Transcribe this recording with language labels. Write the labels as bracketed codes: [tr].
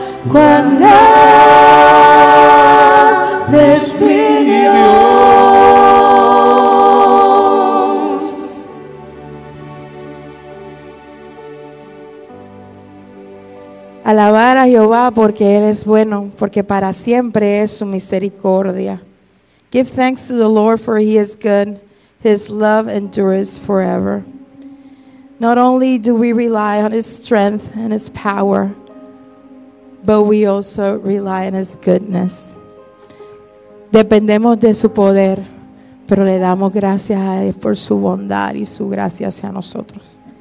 [es] Cuán grande es mi Dios. Alabar a Jehová porque Él es bueno, porque para siempre es su misericordia. [en] Give thanks to the Lord for He is good. His love endures forever. Not only do we rely on His strength and His power, but we also rely on His goodness. [es] Dependemos de su poder, pero le damos gracias a Él por su bondad y su gracia hacia nosotros.